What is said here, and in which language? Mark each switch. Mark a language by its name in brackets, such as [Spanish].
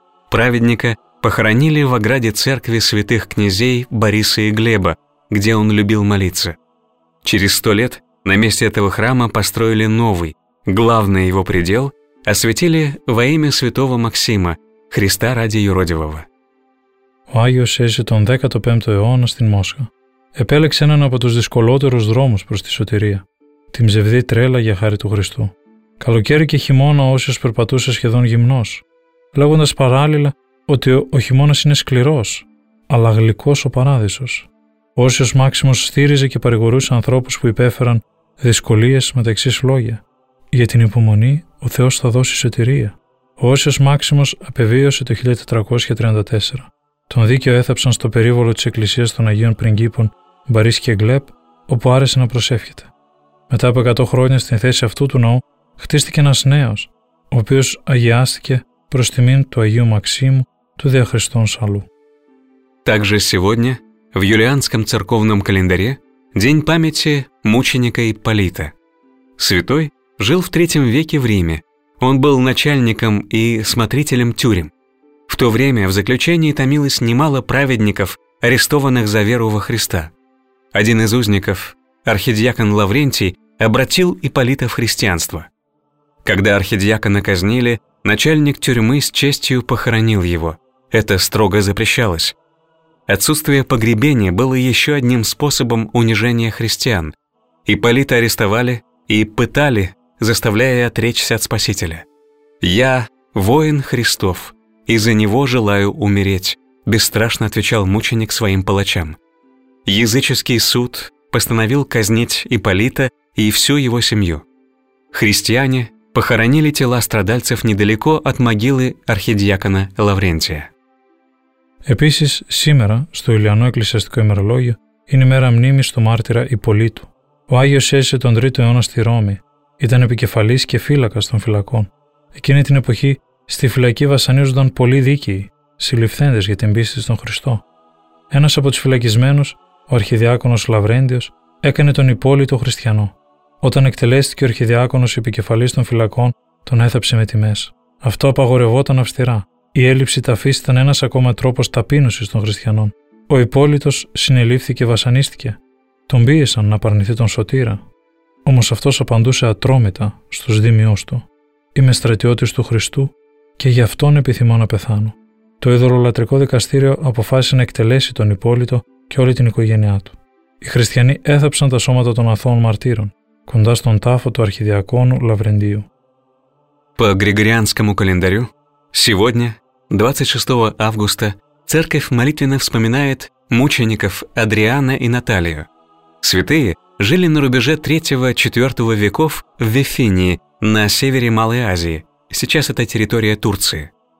[Russian] Праведника похоронили в ограде церкви святых князей Бориса и Глеба, где он любил молиться. Через 100 лет на месте этого храма построили новый, главный его предел, освятили во имя святого Максима, Христа ради юродивого. [Greek] Ο Άγιος έζησε τον 15ο αιώνα στην Μόσχα. Επέλεξε έναν από τους δυσκολότερους δρόμους προς τη σωτηρία. Την ψευδή τρέλα για χάρη του Χριστού. Καλοκαίρι και χειμώνα ο Όσιος περπατούσε σχεδόν γυμνός, λέγοντας παράλληλα ότι ο χειμώνας είναι σκληρός, αλλά γλυκός ο παράδεισος. Ο Όσιος Μάξιμος στήριζε και παρηγορούσε ανθρώπους που υπέφεραν δυσκολίες με τα εξής λόγια. Για την υπομονή, ο Θεός θα δώσει σωτηρία. Ο Όσιος Μάξιμος απεβίωσε το 1434. Τον δίκαιο έθαψαν στο περίβολο της Εκκλησίας των Αγίων Πριγκίπων, Μπαρίς και Γκλέπ, όπου άρεσε να προσεύχεται. Μετά από 100 χρόνια στην θέση αυτού του ναού, χτίστηκε ένας νέος, ο οποίος αγιάστηκε προς τιμήν του Αγίου Μαξίμου του Διαχριστών Σαλού. [Russian] Также сегодня в юлианском церковном календаре день памяти мученика Ипполита. Святой жил в 3 веке в Риме. Он был начальником и смотрителем тюрем. В то время в заключении томилось немало праведников, арестованных за веру во Христа. Один из узников, архидиакон Лаврентий, обратил Ипполита в христианство. Когда архидиакона казнили, начальник тюрьмы с честью похоронил его. Это строго запрещалось. Отсутствие погребения было еще одним способом унижения христиан. Ипполита арестовали и пытали, заставляя отречься от Спасителя. «Я – воин Христов». «И за него желаю умереть», — бесстрашно отвечал мученик своим палачам. Языческий суд постановил казнить Ипполита и всю его семью. Христиане похоронили тела страдальцев недалеко от могилы архидиакона Лаврентия. [Greek] Επίσης, σήμερα, στο Ιουλιανό Εκκλησιαστικό ημερολόγιο, είναι μέρα μνήμης του μάρτυρα Ιππολίτου. Ο Άγιος έζησε τον 3ο αιώνα στη Ρώμη. Ήταν επικεφαλής και φύλακας των φυλακών. Εκείνη την εποχή, στη φυλακή βασανίζονταν πολλοί δίκαιοι, συλληφθέντες για την πίστη στον Χριστό. Ένας από τους φυλακισμένους, ο αρχιδιάκονος Λαβρέντιος, έκανε τον Ιππόλιτο χριστιανό. Όταν εκτελέστηκε ο αρχιδιάκονος επικεφαλής των φυλακών, τον έθαψε με τιμές. Αυτό απαγορευόταν αυστηρά. Η έλλειψη ταφής ήταν ένας ακόμα τρόπος ταπείνωσης των χριστιανών. Ο Ιππόλιτος συνελήφθη και βασανίστηκε. Τον πίεσαν να παρνηθεί τον σωτήρα. Όμως αυτός απαντούσε ατρόμητα στους δήμιους του. Είμαι στρατιώτης του Χριστού και γι' αυτόν επιθυμώ να πεθάνω. Το ειδωλολατρικό δικαστήριο αποφάσισε να εκτελέσει τον Ιππόλιτο και όλη την οικογένειά του. Οι χριστιανοί έθαψαν τα σώματα των αθώων μαρτύρων κοντά στον τάφο του αρχιδιακόνου Λαβρεντίου. [Russian] По григорианскому календарю, сегодня, 26 августа, церковь молитвенно вспоминает мучеников Адриана и Наталию. Святые жили на рубеже 3-4 веков в Вифинии, на севере Малой Азии, сейчас это территория Турции.